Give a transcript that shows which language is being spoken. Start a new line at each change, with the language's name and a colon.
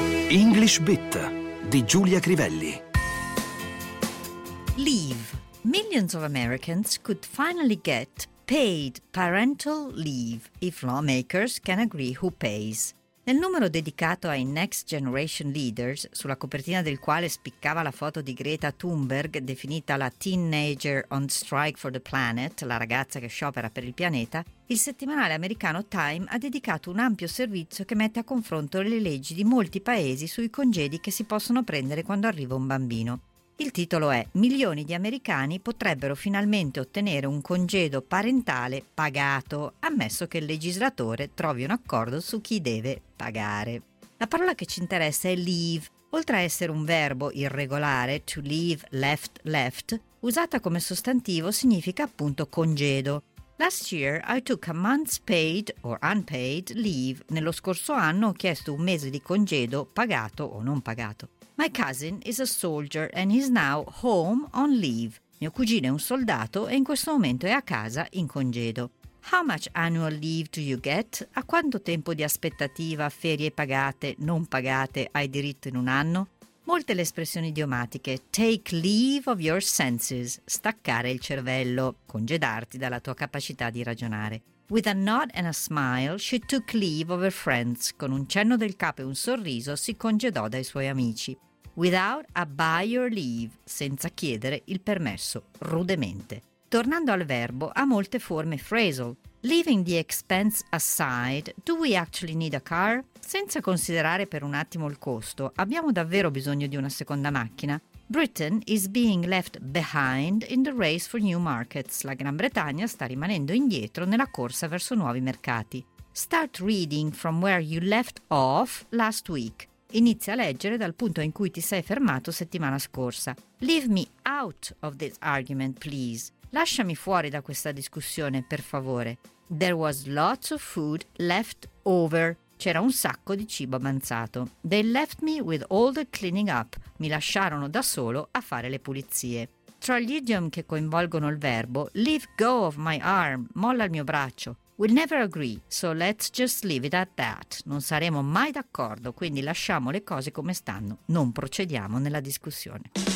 Italian: English Bit di Giulia Crivelli.
English: Leave. Millions of Americans could finally get paid parental leave if lawmakers can agree who pays.
Italian: Nel numero dedicato ai Next Generation Leaders, sulla copertina del quale spiccava la foto di Greta Thunberg, definita la
English: Teenager on Strike for the Planet,
Italian: la ragazza che sciopera per il pianeta, il settimanale americano Time ha dedicato un ampio servizio che mette a confronto le leggi di molti paesi sui congedi che si possono prendere quando arriva un bambino. Il titolo è «Milioni di americani potrebbero finalmente ottenere un congedo parentale pagato, ammesso che il legislatore trovi un accordo su chi deve pagare». La parola che ci interessa è «leave». Oltre a essere un verbo irregolare,
English: «to leave left left»,
Italian: usata come sostantivo significa appunto «congedo».
English: «Last year I took a month's paid or unpaid leave».
Italian: Nello scorso anno ho chiesto un mese di congedo pagato o non pagato.
English: My cousin is a soldier and he's now home on leave.
Italian: Mio cugino è un soldato e in questo momento è a casa in congedo.
English: How much annual leave do you get?
Italian: A quanto tempo di aspettativa, ferie pagate, non pagate, hai diritto in un anno? Molte le espressioni idiomatiche.
English: Take leave of your senses.
Italian: Staccare il cervello. Congedarti dalla tua capacità di ragionare.
English: With a nod and a smile, she took leave of her friends.
Italian: Con un cenno del capo e un sorriso, si congedò dai suoi amici.
English: Without a by your leave,
Italian: senza chiedere il permesso, rudemente. Tornando al verbo, ha molte forme phrasal.
English: Leaving the expense aside, do we actually need a car?
Italian: Senza considerare per un attimo il costo, abbiamo davvero bisogno di una seconda macchina?
English: Britain is being left behind in the race for new markets.
Italian: La Gran Bretagna sta rimanendo indietro nella corsa verso nuovi mercati.
English: Start reading from where you left off last week.
Italian: Inizia a leggere dal punto in cui ti sei fermato settimana scorsa.
English: Leave me out of this argument, please.
Italian: Lasciami fuori da questa discussione, per favore.
English: There was lots of food left over.
Italian: C'era un sacco di cibo avanzato.
English: They left me with all the cleaning up.
Italian: Mi lasciarono da solo a fare le pulizie. Tra gli idiom che coinvolgono il verbo,
English: leave go of my arm,
Italian: molla il mio braccio.
English: We'll never agree, so let's just leave it at that.
Italian: Non saremo mai d'accordo, quindi lasciamo le cose come stanno. Non procediamo nella discussione.